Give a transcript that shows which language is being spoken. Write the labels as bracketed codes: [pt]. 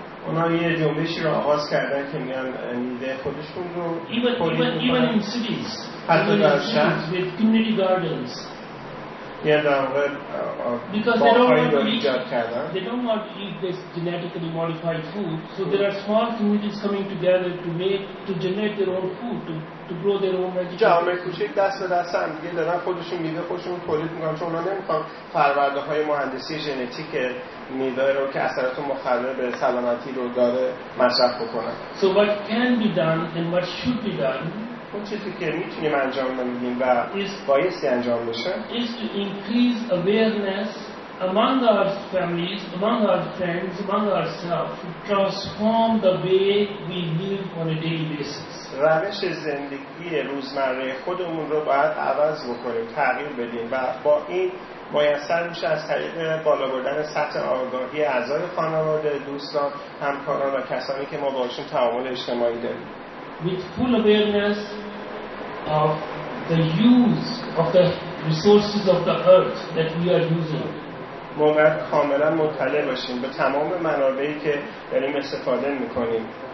[en] Even in cities, with community gardens. Because they don't want to eat this genetically modified food, so there are small communities coming together to generate their own food, to grow their own vegetables. [fa] جامعه کوچک دست به دست هم دیگه دارن خودشون میوه خودشون تولید میکنن چون اونا نمیخوان فرآورده های مهندسی ژنتیک میوه رو که اثرات مخرب به سلامتی رو داره مصرف بکنن. [en] So what can be done and what should be done? [fa] اون چیزی که میتونیم انجام بدیم و بایستی انجام بشه [en] is to increase awareness among our families, among our friends, among ourselves, transform the way we live on a daily basis. [fa] روش زندگی روزمره خودمون رو باید عوض بکنیم، تغییر بدیم و با این مایستر میشه از طریق بالا بردن سطح آگاهی اعضای خانواده، دوستان، همکاران و کسانی که ما باشیم تعامل اجتماعی داریم. [en] With full awareness of the use of the resources of the earth that we are using. [fa] ما باید کاملا مطلع باشیم به تمام منابعی که داریم استفاده میکنیم.